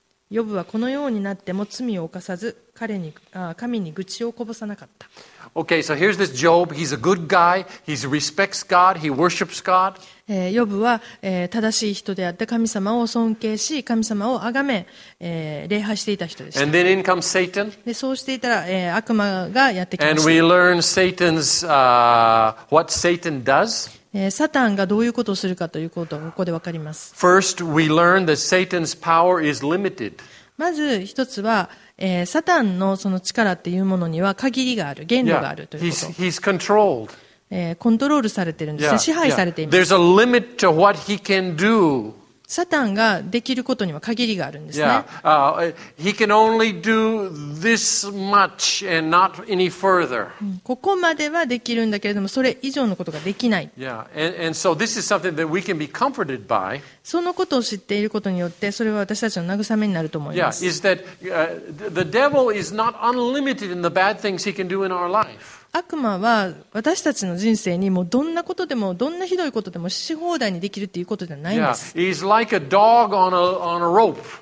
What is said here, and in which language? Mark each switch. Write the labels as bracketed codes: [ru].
[ja] ヨブはこのようになっても罪を犯さず、神に愚痴をこぼさなかった。 [en] Okay, so here's this Job. He's a good guy. He respects God. He worships God. [ja] ヨブは、正しい人であって神様を尊敬し、神様を崇め、礼拝していた人でした。 [en] And then in comes Satan. [ja] で、そうしていたら、悪魔がやってきました。 [en] And we learn Satan's, what Satan does. [ja] サタンがどういうことをするかということがここでわかります。 [en] First, we learn that Satan's power is limited. [ja] まず一つは、サタンのその力っていうものには限りがある、限度があるということ。 [en] Yeah, he's controlled. [ja] コントロールされてるんですね。 [en] Yeah, [ja] 支配されています。 [en] Yeah. There's a limit to what he can do. [ja] サタンができることには限りがあるんですね。 [en] Yeah. He can only do this much and not any further. [ja] ここまではできるんだけれども、それ以上のことができない。 [en] Yeah. And so this is something that we can be comforted by. [ja] そのことを知っていることによって、それは私たちの慰めになると思います。 [en] Yeah. Is that the devil is not unlimited in the bad things he can do in our life. [ja] 悪魔は私たちの人生にもどんなことでもどんなひどいことでもし放題にできるっていうことではないんです。 [en] Yeah, he's like a dog on a rope.